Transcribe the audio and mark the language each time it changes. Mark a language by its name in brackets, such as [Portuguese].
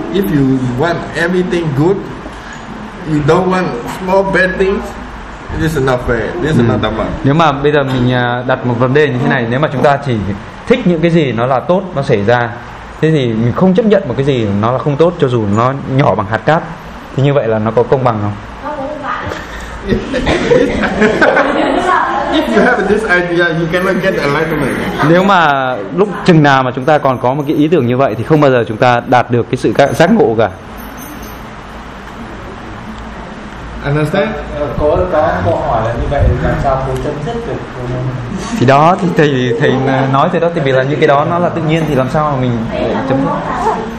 [English] If you want everything good, you don't want small bad things. This is not fair. This is not dhamma. [Vietnamese] Nếu mà bây giờ mình đặt một vấn đề như thế này, nếu mà chúng ta chỉ thích những cái gì nó là tốt nó xảy ra, thế thì mình không chấp nhận một cái gì nó là không tốt, cho dù nó nhỏ bằng hạt cát, thì như vậy là nó có công bằng không? [English] If you have this idea, you cannot get enlightenment. [Vietnamese] Nếu mà lúc chừng nào mà chúng ta còn có một cái ý tưởng như vậy thì không bao giờ chúng ta đạt được cái sự giác ngộ cả. [English] Understand? [Vietnamese] Có câu hỏi là như vậy làm sao cô chấm dứt được? Thì đó thì thầy nói thế đó, thì vì là như cái đó nó là tự nhiên thì làm sao mà mình chấm dứt?